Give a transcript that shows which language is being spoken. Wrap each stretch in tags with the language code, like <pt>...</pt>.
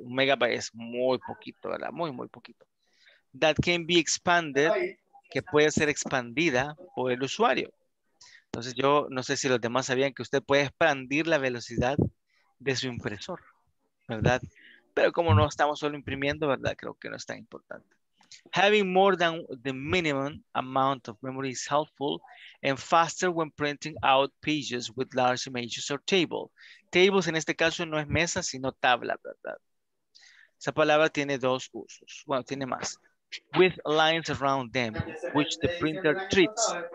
<es>Un megabyte es muy poquito, ¿verdad? Muy, muy poquito.</es> <en>That can be expanded,</en> <es>que puede ser expandida por el usuario. Entonces, yo no sé si los demás sabían que usted puede expandir la velocidad de su impresor, ¿verdad? Pero como no estamos solo imprimiendo, ¿verdad? Creo que no es tan importante.</es> <en>Having more than the minimum amount of memory is helpful and faster when printing out pages with large images or table.</en> <es>Tables en este caso no es mesa, sino tabla, ¿verdad? Esa palabra tiene dos usos. Bueno, tiene más.</es> <en>With lines around them, which the printer treats.</en>